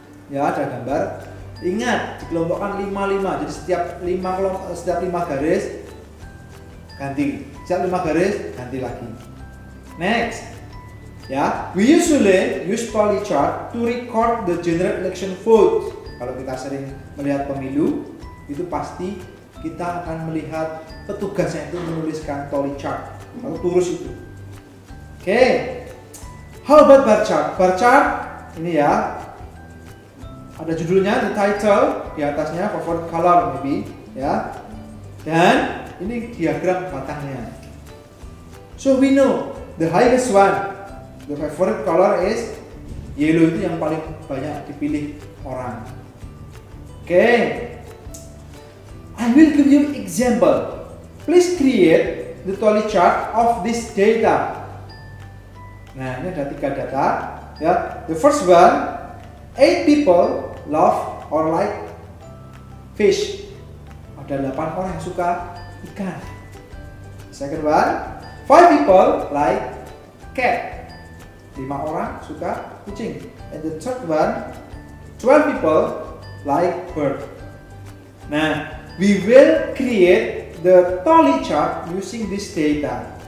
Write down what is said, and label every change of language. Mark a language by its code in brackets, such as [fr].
[id] Ya, ada gambar. Ingat, dikelompokkan 5-5. Jadi setiap 5 garis ganti. Setiap 5 garis ganti lagi. [en] Next. Ya, we usually use Dolly chart to record the general election vote. [id] Kalau kita sering melihat pemilu, itu pasti kita akan melihat petugasnya itu menuliskan Dolly chart atau turus itu. [en] Oke. Okay. How about bar chart? Bar chart, [id] ini ya, ada judulnya, [en] the title, [id] di atasnya, [en] favorite color maybe, ya. [id] Dan ini diagram batangnya. [en] So we know, the highest one, the favorite color is yellow, [id] itu yang paling banyak dipilih orang. [en] Oke, okay. I will give you an example. Please create the Dolly chart of this data. [id] Nah, ini ada 3 data, ya. [en] The first one, 8 people love or like fish. [id] Ada 8 orang yang suka ikan. [en] Second one, 5 people like cat. [id] 5 orang suka kucing. [en] And the third one, 12 people like bird. [id] Nah, [en] we will create the Dolly chart using this data.